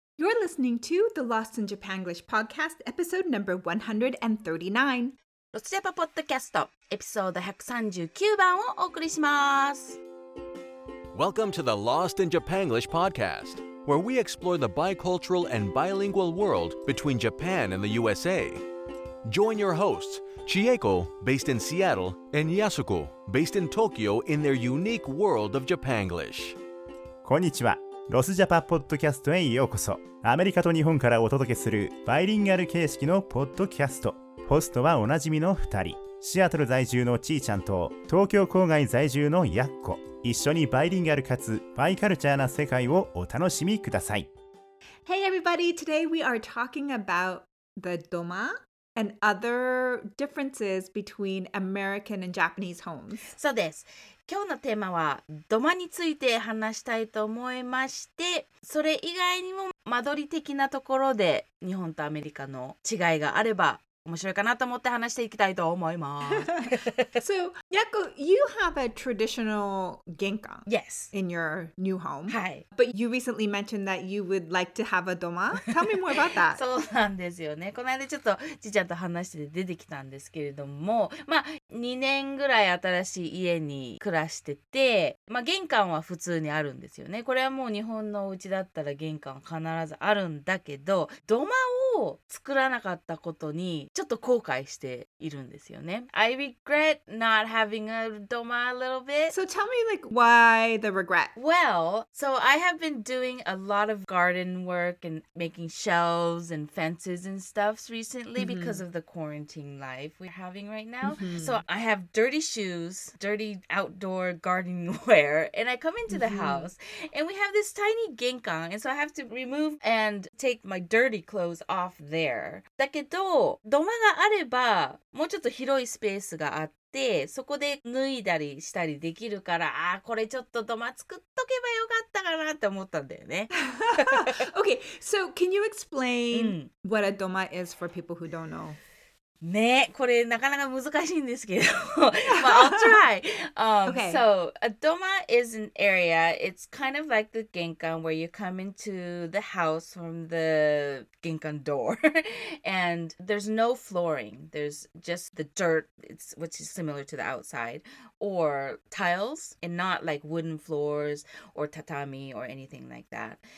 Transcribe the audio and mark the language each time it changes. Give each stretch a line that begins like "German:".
English: You're listening to the Lost in Japanglish podcast, episode number 139.
Japanese: ロスジャパポッドキャスト、エピソード139番をお送りします。
English: Welcome to the Lost in Japanglish podcast, where we explore the bicultural and bilingual world between Japan and the USA. Join your hosts, Chieko, based in Seattle, and Yasuko, based in Tokyo, in their unique world of Japanglish.
Japanese: こんにちは。ロスジャパポッドキャストへようこそ。アメリカと日本からお届けするバイリンガル形式のポッドキャスト。ホストはおなじみの2人、シアトル在住のちーちゃんと東京郊外在住のやっこ。一緒にバイリンガルかつバイカルチャーな世界をお楽しみください。
English: Hey everybody, today we are talking about the doma and other differences between American and Japanese homes.
Japanese: そうです。今日のテーマは土間について話したいと思いまして、それ以外にも間取り的なところで日本とアメリカの違いがあれば面白いかなと思って話していきたいと思います。
English: So, Yaku, you have a traditional genkan. Yes. In your new home.
Japanese: はい。
English: But you recently mentioned that you would like to have a doma. Tell me more about that.
Japanese: そうなんですよね。この間ちょっとちーちゃんと話して出てきたんですけれども、まあ、2年ぐらい新しい家に暮らしてて、まあ、玄関は普通にあるんですよね。これはもう日本のお家だったら玄関は必ずあるんだけど、土間を作らなかったことにちょっと後悔しているんですよね。
English: I regret not having a doma a little bit. So tell me like why the regret. Well, so I have been doing a lot of garden work and making shelves and fences and stuff recently、mm-hmm. because of the quarantine life we're having right now.、Mm-hmm. So I have dirty shoes, dirty outdoor gardening wear, and I come into、mm-hmm. the house and we have this tiny genkan, and so I have to remove and take my dirty clothes off there.
Japanese: だけど土間があればもうちょっと広いスペースがあって、そこで脱いだりしたりできるから、あ、これちょっと土間作っとけばよかったかなって思ったんだよね。
English: Okay, so can you explain、うん、what a doma is for people who don't know?
Japanese: ね、これなかなか難しいんですけど。
English: Well, I'll try. Okay. So, a doma is an area. It's kind of like the genkan where you come into the house from the genkan door. And there's no flooring. There's just the dirt, which is similar to the outside. Or tiles. And not like wooden floors or tatami or anything like that.